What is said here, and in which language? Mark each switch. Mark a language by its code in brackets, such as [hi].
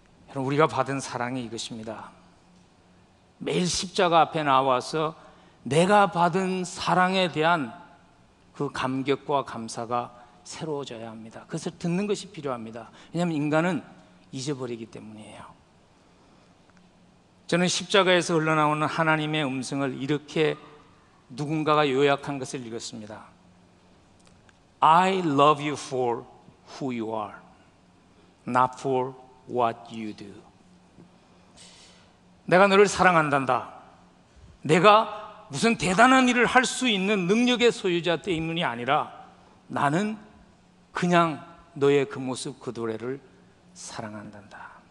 [ko] 여러분, 우리가 받은 사랑이 이것입니다. 매일 십자가 앞에 나와서 내가 받은 사랑에 대한 그 감격과 감사가 새로워져야 합니다. 그것을 듣는 것이 필요합니다. 왜냐하면 인간은 잊어버리기 때문이에요. 저는 십자가에서 흘러나오는 하나님의 음성을 이렇게 누군가가 요약한 것을 읽었습니다. [en] I love you for who you are, not for what you do. [ko] 내가 너를 사랑한단다. 내가 무슨 대단한 일을 할 수 있는 능력의 소유자 때문이 아니라 나는 그냥 너의 그 모습 그 노래를 사랑한단다.